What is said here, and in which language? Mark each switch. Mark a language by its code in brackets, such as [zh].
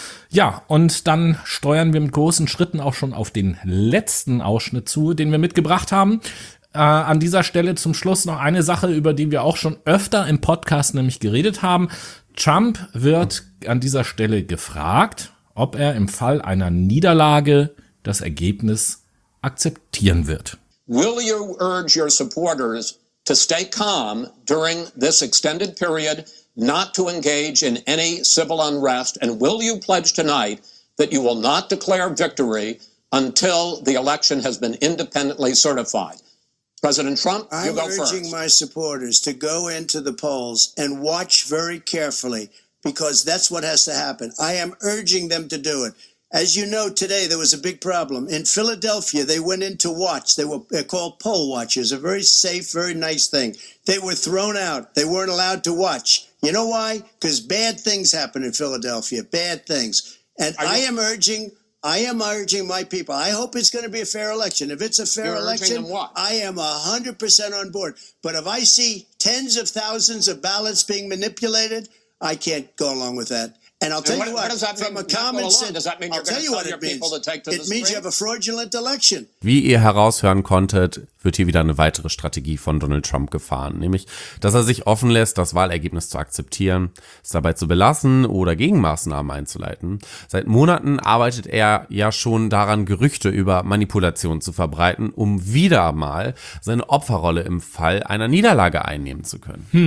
[de] Ja, und dann steuern wir mit großen Schritten auch schon auf den letzten Ausschnitt zu, den wir mitgebracht haben. An dieser Stelle zum Schluss noch eine Sache, über die wir auch schon öfter im Podcast nämlich geredet haben. Trump wird an dieser Stelle gefragt, ob er im Fall einer Niederlage das Ergebnis akzeptieren wird. [en] Will you urge your supporters to stay calm during this extended period, not to engage in any civil unrest? And will you pledge tonight that you will not declare victory until the election has been independently certified? President Trump, you go first. I'm urging my supporters to go into the polls and watch very carefully, because that's what has to happen. I am urging them to do it. As you know, today there was a big problem. In Philadelphia, they went in to watch. They were called poll watchers, a very safe, very nice thing. They were thrown out. They weren't allowed to watch. You know why? Because bad things happen in Philadelphia, bad things. And I am urging my people. I hope it's going to be a fair election. If it's a fair election, I am 100% on board. But if I see tens of thousands of ballots being manipulated, I can't go along with that. And I'll tell you what, from a common sense, does that mean you're going to tell your people to take to the street? It means you have a fraudulent election. [de] Wie ihr heraushören konntet, wird hier wieder eine weitere Strategie von Donald Trump gefahren. Nämlich, dass er sich offen lässt, das Wahlergebnis zu akzeptieren, es dabei zu belassen oder Gegenmaßnahmen einzuleiten. Seit Monaten arbeitet er ja schon daran, Gerüchte über Manipulation zu verbreiten, um wieder mal seine Opferrolle im Fall einer Niederlage einnehmen zu können.